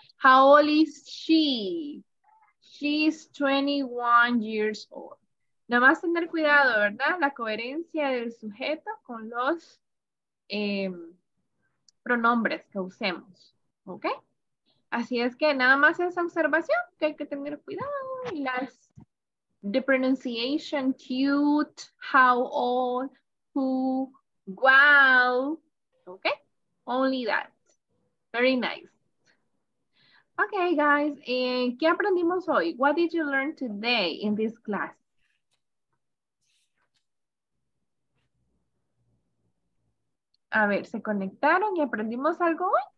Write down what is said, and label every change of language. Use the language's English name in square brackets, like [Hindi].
[English] How old is she? She's 21 years old. [Spanish] Nada más tener cuidado, ¿verdad? La coherencia del sujeto con los pronombres que usemos. ¿Ok? Así es que nada más esa observación, que hay que tener cuidado. Y las, [English] the pronunciation, cute, how old, who, wow. Okay, only that. Very nice. Okay, guys, [Spanish] ¿qué aprendimos hoy? [English] What did you learn today in this class? [Spanish] A ver, ¿se conectaron y aprendimos algo hoy?